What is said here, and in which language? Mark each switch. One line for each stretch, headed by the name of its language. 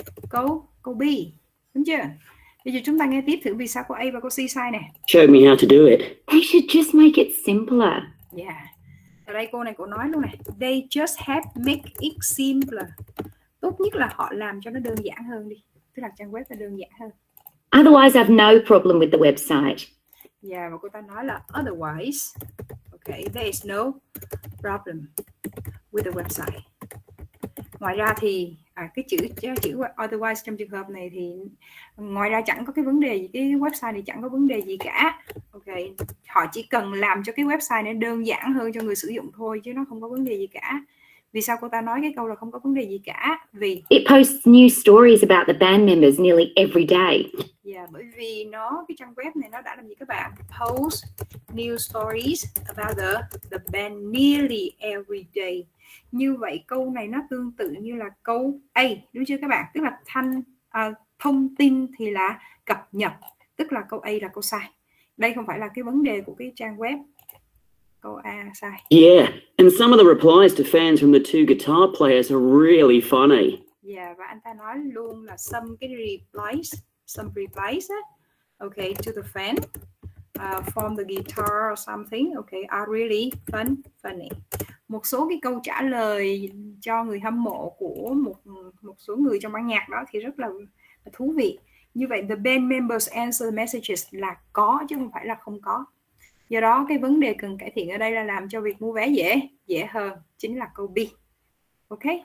Vietnamese: Câu B, đúng chưa? Bây giờ chúng ta nghe tiếp thử vì sao cô A và cô C sai nè.
English: Show me how to do it. They should just make it simpler. Yeah.
Vietnamese: Ở đây cô này cũng nói luôn này.
English: They just have make it simpler.
Vietnamese: Tốt nhất là họ làm cho nó đơn giản hơn đi. Tức là trang web là đơn giản hơn.
English: Otherwise, I have no problem with the website.
Vietnamese: Yeah, và cô ta nói là
English: otherwise. Okay, there is no problem with the website.
Vietnamese: Ngoài ra thì cái chữ chữ otherwise trong trường hợp này thì ngoài ra chẳng có cái vấn đề gì, cái website này chẳng có vấn đề gì cả. Ok, họ chỉ cần làm cho cái website này đơn giản hơn cho người sử dụng thôi chứ nó không có vấn đề gì cả. Vì sao cô ta nói cái câu là không có vấn đề gì cả? Vì
English: It posts new stories about the band members nearly every day.
Vietnamese: bởi vì nó cái trang web này nó đã làm gì các bạn?
English: Post new stories about the band nearly every day.
Vietnamese: Như vậy câu này nó tương tự như là câu A, đúng chưa các bạn? Tức là thông tin thì là cập nhật, tức là câu A là câu sai. Đây không phải là cái vấn đề của cái trang web. Câu A sai.
English: Yeah, and some of the replies to fans from the two guitar players are really funny.
Vietnamese: Và anh ta nói luôn là
English: some replies okay to the fan from the guitar or something okay are really funny.
Vietnamese: Một số cái câu trả lời cho người hâm mộ của một một số người trong ban nhạc đó thì rất là thú vị. Như vậy
English: the band members answer messages
Vietnamese: là có chứ không phải là không có. Do đó cái vấn đề cần cải thiện ở đây là làm cho việc mua vé dễ dễ hơn, chính là câu B. Ok.